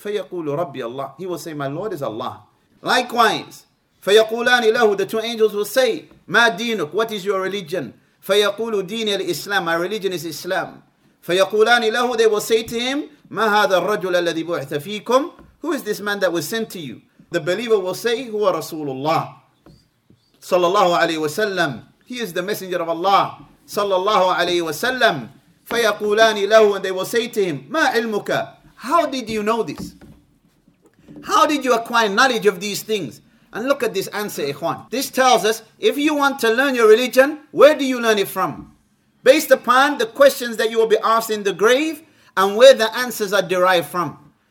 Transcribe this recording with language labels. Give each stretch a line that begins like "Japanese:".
Arabic: فَيَقُولُ رَبِّيَ اللَّهِ,
English: he will say, my Lord is Allah. Likewise,
Arabic: فَيَقُولَانِ لَهُ,
English: the two angels will say,
Arabic: مَا دِينُكُ,
English: what is your religion?
Arabic: فَيَقُولُ دِينِ الْإِسْلَامِ,
English: my religion is Islam.
Arabic: فَيَقُولَانِ لَهُ,
English: they will say to him,
Arabic: مَا هَذَا الرَّجُلَ الَّذِي بُعْثَ فِيكُمْ,
English: who is this man that was sent to you? The believer will say,
Arabic: هُوَ رَسُولُ اللَّهِ صَلَّى اللَّهُ عَلَيْهِ وَسَلَّمْ,
English: he is the messenger of Allah صَلَّى اللَّهُ عَلَيْهِ وَسَلَّمْ.
Arabic: فَيَقُولَانِ لَهُ,
English: and they will say to him,
Arabic: مَا عِلْمُكَ,
English: how did you know this? How did you acquire knowledge of these things? And look at this answer, Ikhwan. This tells us, if you want to learn your religion, where do you learn it from? Based upon the questions that you will be asked in the grave and where the answers are derived from.